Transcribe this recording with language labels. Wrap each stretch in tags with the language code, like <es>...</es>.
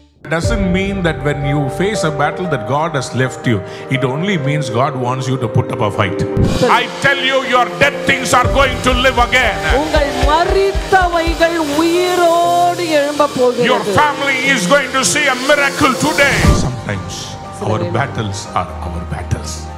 <en>doesn't mean that when you face a battle that God has left you. It only means God wants you to put up a fight. I tell you, your dead things are going to live again.</en> <ta>உங்கள் மரித்தவைகள் உயிரோடு எழும்ப போகிறது.</ta> <en>Your family is going to see a miracle today. Sometimes our battles are our battles.</en>